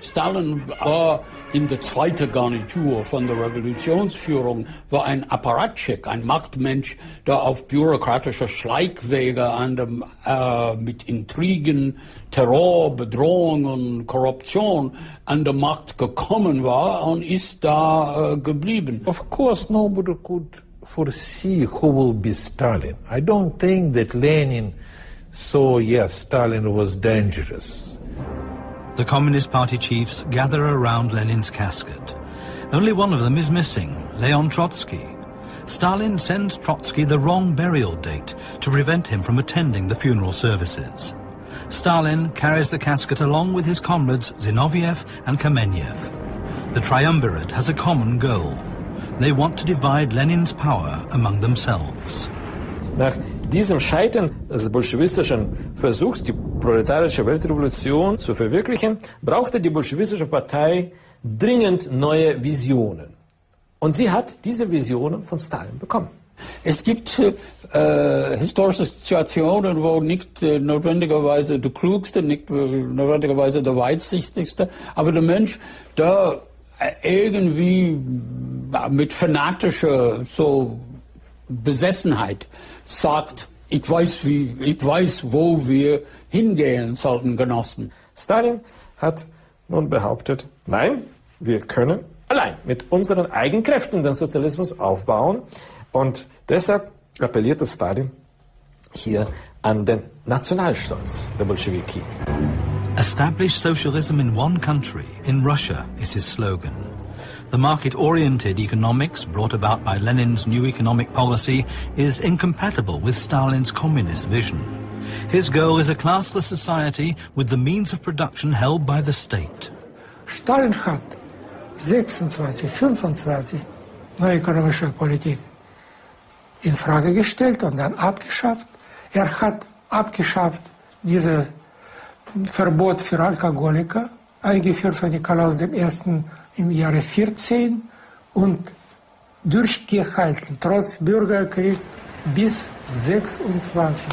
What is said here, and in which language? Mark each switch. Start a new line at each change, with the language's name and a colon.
German: Stalin war in der zweite Garnitur von der Revolutionsführung, war ein Apparatschik, ein Machtmensch, der auf bürokratischer Schleichwege an dem, mit Intrigen, Terror, Bedrohung und Korruption an der Macht gekommen war und ist da geblieben.
English: Of course nobody could foresee who will be Stalin. I don't think that Lenin saw, yes, Stalin was dangerous. The Communist Party chiefs gather around Lenin's casket. Only one of them is missing, Leon Trotsky. Stalin sends Trotsky the wrong burial date to prevent him from attending the funeral services. Stalin carries the casket along with his comrades Zinoviev and Kamenev. The triumvirate has a common goal. They want to divide Lenin's power among themselves.
German: Nach diesem Scheitern des bolschewistischen Versuchs, die proletarische Weltrevolution zu verwirklichen, brauchte die bolschewistische Partei dringend neue Visionen. Und sie hat diese Visionen von Stalin bekommen. Es gibt historische Situationen, wo nicht notwendigerweise der Klügste, nicht notwendigerweise der Weitsichtigste, aber der Mensch, der irgendwie mit fanatischer so Besessenheit sagt, ich weiß, wo wir hingehen sollten, Genossen. Stalin hat nun behauptet, nein, wir können allein mit unseren eigenen Kräften den Sozialismus aufbauen. Und deshalb appellierte Stalin hier an den Nationalstolz der Bolschewiki.
English: Establish socialism in one country, in Russia, is his slogan. The market-oriented economics brought about by Lenin's new economic policy is incompatible with Stalin's communist vision. His goal is a classless society with the means of production held by the state.
German: Stalin had 26-25 neue ökonomische Politik in Frage gestellt und dann abgeschafft. Hat abgeschafft dieses Verbot für Alkoholiker, eingeführt von Nikolaus dem Ersten im Jahre 14 und durchgehalten, trotz Bürgerkrieg, bis 26.